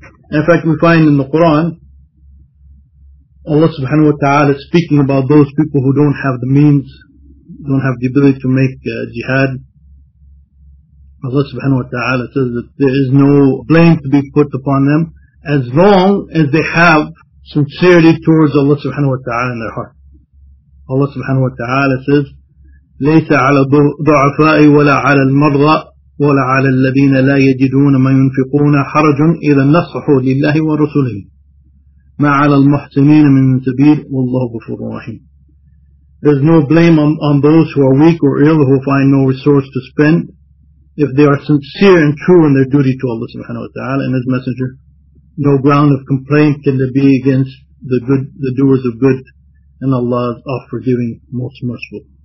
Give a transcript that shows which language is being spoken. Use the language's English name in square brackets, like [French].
[English] In fact, we find in the Quran, Allah subhanahu wa ta'ala speaking about those people who don't have the means, don't have the ability to make jihad. Allah subhanahu wa ta'ala says that there is no blame to be put upon them as long as they have sincerity towards Allah subhanahu wa ta'ala in their heart. [Arabic] Allah subhanahu wa ta'ala says, لَيْسَ عَلَى ضُعْفَاءِ وَلَا عَلَى الْمَرْضَى ولعل الذين لا يجدون ما ينفقون حرج إذا نصحوا لله ورسله ما على المحسنين من سبيل والله غفور رحيم. [English] There's no blame on those who are weak or ill who find no resource to spend if they are sincere and true in their duty to Allah subhanahu wa ta'ala and His Messenger. No ground of complaint can there be against the doers of good, and Allah is all forgiving, most merciful.